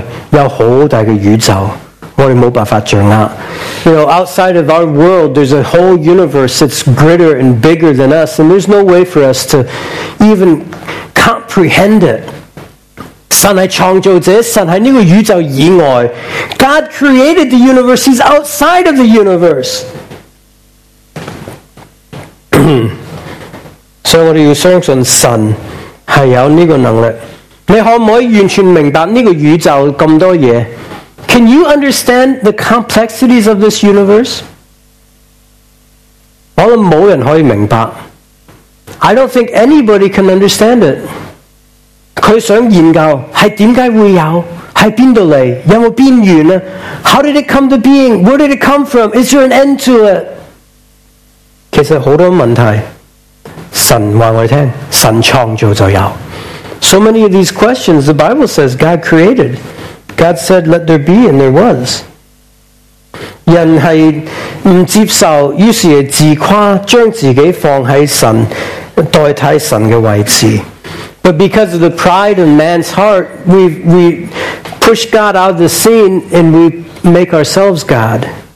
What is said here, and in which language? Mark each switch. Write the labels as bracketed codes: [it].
[zh] 在我们这个世界以外,有很大的宇宙, 我们没办法掌握。 [en] You know, outside of our world, there's a whole universe that's greater and bigger than us, and there's no way for us to even comprehend it. [zh] 神是创造者,神在这个宇宙以外, [en] God created the universe, he's outside of the universe. [zh] 所以我们要相信神是有这个能力。你可不可以完全明白这个宇宙这么多东西? [en] Can you understand the complexities of this universe? [zh] 我想没人可以明白。 [en] I don't think anybody can understand it. [zh] 他想研究是为什么会有,是哪里来,有没有边缘呢? [en] How did it come to being? Where did it come from? Is there an end to it? [zh] 其实很多问题,神告诉我们,神创造就有。 [en] So many of these questions, the Bible says God created. God said, let there be, and there was. [zh] 人是不接受,于是自夸,将自己放在神,代替神的位置。 [en] But because of the pride in man's heart, we push God out of the scene and we make ourselves God.